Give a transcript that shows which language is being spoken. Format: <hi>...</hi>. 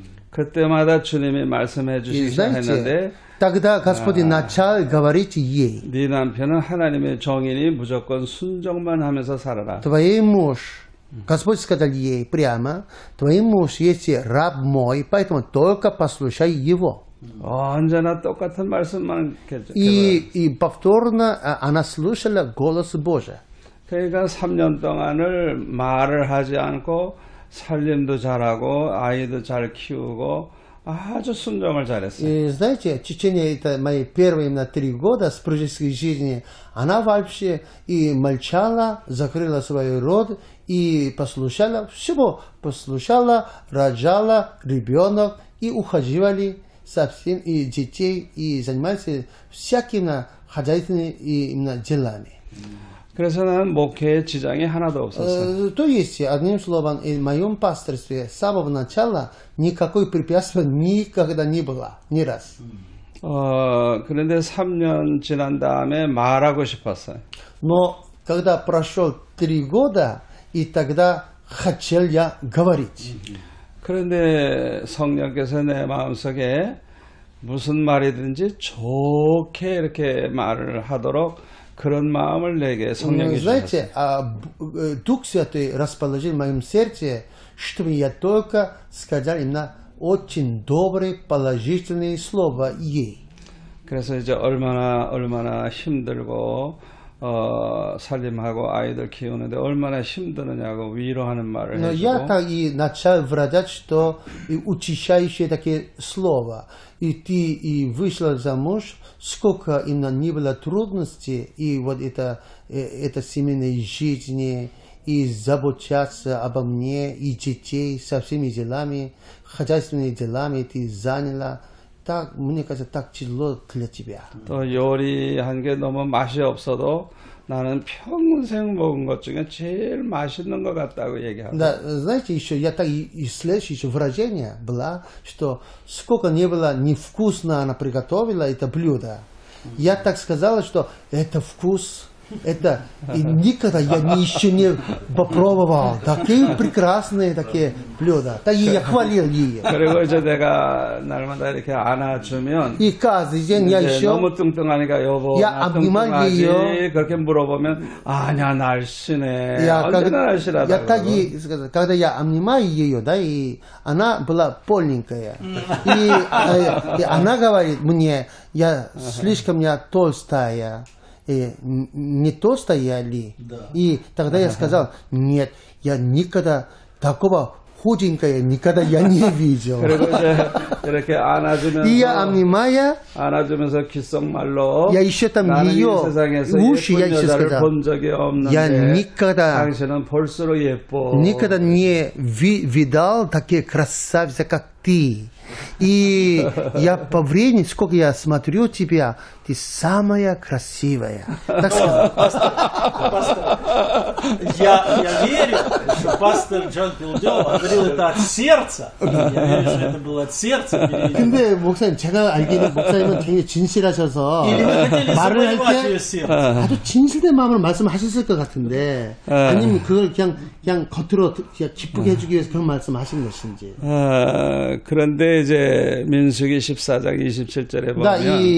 <ko>그때마다 주님이 말씀해 주시긴 했는데</ko> <ru>тогда Господь начал говорить ей.</ru> <ko>네 남편은 하나님의 종이니 무조건 순종만 하면서 살아라.</ko> <ru>Твой муж, Господь сказал ей прямо, твой муж есть раб мой, поэтому только послушай его.</ru> <ko>언제나 똑같은 말씀만 계속.</ko> <ru>И повторно она слушала голос Божий.</ru> <ko>그러니까 3년 동안을 말을 하지 않고 살림도 잘하고 아이도 잘 키우고. 아주 순종을 잘했어요.</ko> <ru>И знаете, в течение это мои первые именно 3 года супружеской жизни, она вообще и молчала, закрыла свой рот и послушала, всего послушала, рожала ребенок и ухаживали совсем и детей и занимались всякими хозяйственными именно делами.</ru> <ko>그래서 난 목회에 지장이 하나도 없었어요.</ko> <ru>То есть, одним словом, в моем пастырстве с самого начала никакой препятствия никогда не было, ни раз.</ru> <ko>그런데 3년 지난 다음에 말하고 싶었어요.</ko> <ru>Но когда прошел 3 года, и тогда хотел я говорить.</ru> <ko>그런데 성령께서 내 마음속에 무슨 말이든지 좋게 이렇게 말을 하도록 그런 마음을 내게 성령이</ko> <ru>знаете, Дух Святой расположил в моем сердце, чтобы я только сказал именно очень добрые, положительные слова ей.</ru> <ko>그래서 이제 얼마나 힘들고 살림하고 아이들 키우는데 얼마나 힘드느냐고 위로하는 말을 해주고</ko> <ru>я так и начал выражать, что утешающие такие слова. И ты и вышла замуж, сколько именно не было трудностей, и вот это семейной жизни, и заботиться обо мне, и детей со всеми делами, хозяйственными делами ты заняла. Так, мне кажется, так тяжело для тебя.</ru> <ko>또 요리한 게 너무 맛이 없어도 나는 평생 먹은 것 중에 제일 맛있는 것 같다고 얘기하고.</ko> <ru>Да, знаете, еще я так и слышу еще выражение было, что сколько не было невкусно она приготовила это блюдо. Я так сказала, что это вкус, это и никогда я еще не попробовал такие прекрасные такие блюда. Так и я хвалил ее.</ru> <ko>그리고 이제 내가 날마다 이렇게 안아주면</ko> <ru>и каждый день я еще</ru> <ko>너무 뚱뚱하니까 여보</ko> <ru>я обнимал ее</ru> <ko>그렇게 물어보면 아니야 날씬해 언제나 날씬하다고</ko> <ru>я так и сказал, когда я обнимаю ее, да, и она была полненькая и она говорит мне, я слишком я толстая. И не то стояли. Да. И тогда я сказал, нет, я никогда такого худенького никогда я не видел. И я обнимая, я еще там ее уши, я еще сказал, я никогда не видал такие красавицы, как ты. И я по времени, сколько я смотрю тебя, ты самая красивая. Так сказал. Пастор, я верю, что пастор Джон Пилдёв говорил это от сердца. Я верю, что это было от сердца.</ru> <ko>근데 목사님, 제가 목사님은 되게 진실하셔서 말을 할 때 아주 진실된 마음으로 말씀하셨을 것 같은데 아니면 그걸 그냥 겉으로 그냥 기쁘게 해주기 위해서 그런 말씀하신 것인지. 그런데 이제 민수기 14장 27절에 보면</ko>